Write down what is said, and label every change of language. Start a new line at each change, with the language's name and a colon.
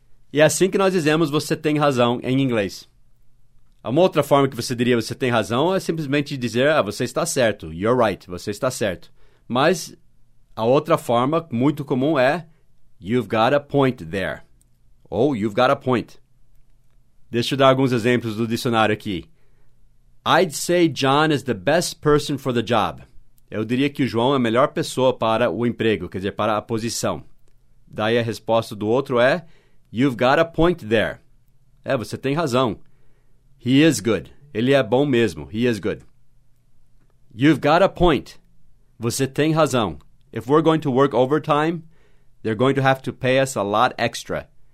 Portuguese: E é assim que nós dizemos você tem razão em inglês. Uma outra forma que você diria você tem razão é simplesmente dizer, ah, você está certo.
English: You're right.
Portuguese: Você está certo. Mas, a outra forma muito comum é,
English: you've got a point there. Ou, you've got a point.
Portuguese: Deixa eu dar alguns exemplos do dicionário aqui.
English: I'd say John is the best person for the job.
Portuguese: Eu diria que o João é a melhor pessoa para o emprego, quer dizer, para a posição. Daí a resposta do outro é,
English: you've got a point there.
Portuguese: É, você tem razão.
English: He is good.
Portuguese: Ele é bom mesmo. He is good.
English: You've got a point.
Portuguese: Você tem razão.
English: If we're going to work overtime, they're going to have to pay us a lot extra.